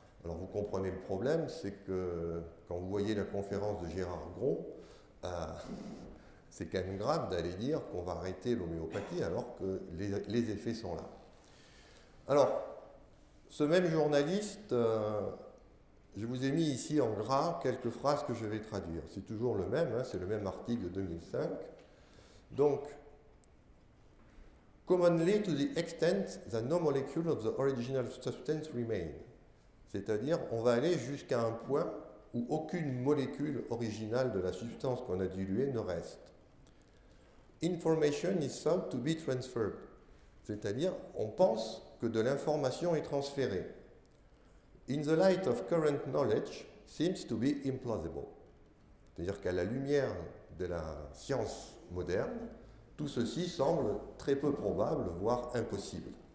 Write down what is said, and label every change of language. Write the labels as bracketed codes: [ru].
[fr] Alors, vous comprenez le problème, c'est que quand vous voyez la conférence de Gérard Gros, c'est quand même grave d'aller dire qu'on va arrêter l'homéopathie alors que les effets sont là. Alors, ce même journaliste, je vous ai mis ici en gras quelques phrases que je vais traduire. C'est toujours le même, hein, c'est le même article de 2005. [en] Donc, commonly to the extent that no molecule of the original substance remain. [fr] C'est-à-dire, on va aller jusqu'à un point où aucune molécule originale de la substance qu'on a diluée ne reste. [en] Information is thought to be transferred. [fr] C'est-à-dire, on pense que de l'information est transférée. [en] In the light of current knowledge, seems to be implausible. [fr] C'est-à-dire qu'à la lumière de la science moderne, tout ceci semble très peu probable, voire impossible.